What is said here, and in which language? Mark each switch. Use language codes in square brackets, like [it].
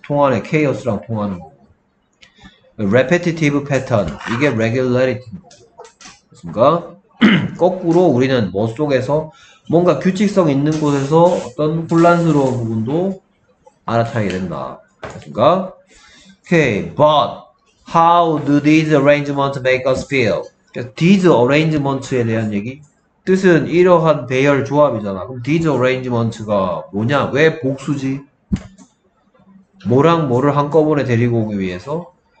[ko] 통하는 케이오스랑 통하는 거. [en] repetitive pattern. [ko] 이게 [en] regularity. [ko] 그렇습니까? 거꾸로 우리는 뭐 속에서 뭔가 규칙성 있는 곳에서 어떤 혼란스러운 부분도 알아차리게 된다. 그렇습니까? [en] Okay, but how do these arrangements make us feel? These arrangements [ko] 에 대한 얘기? 뜻은 이러한 배열 조합이잖아. 그럼 [en] these arrangements [ko] 가 뭐냐? 왜 복수지? 뭐랑 뭐를 한꺼번에 데리고 오기 위해서?